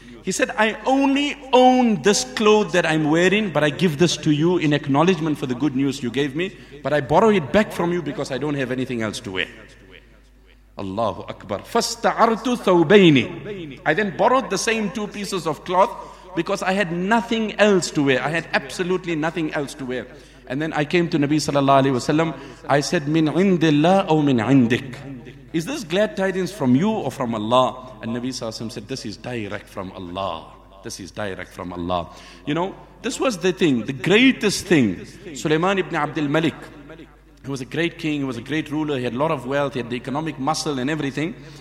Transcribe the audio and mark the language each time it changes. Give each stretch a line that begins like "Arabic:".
English: He said, I only own this cloth that I'm wearing, but I give this to you in acknowledgement for the good news you gave me, but I borrow it back from you because I don't have anything else to wear.
Arabic: Allahu Akbar. فَاسْتَعَرْتُ ثَوْبَيْنِ.
English: I then borrowed the same two pieces of cloth because I had nothing else to wear. I had absolutely nothing else to wear. And then I came to Nabi sallallahu alayhi wa sallam. I said,
Arabic: مِنْ عِنْدِ اللَّهِ أَوْ مِنْ عِنْدِكَ.
English: Is this glad tidings from you or from Allah? And Nabi sallallahu alayhi wa sallam said, this is direct from Allah. This is direct from Allah. You know, this was the thing, the greatest thing. Sulaiman ibn Abdul Malik, he was a great king, he was a great ruler, he had a lot of wealth, he had the economic muscle and everything.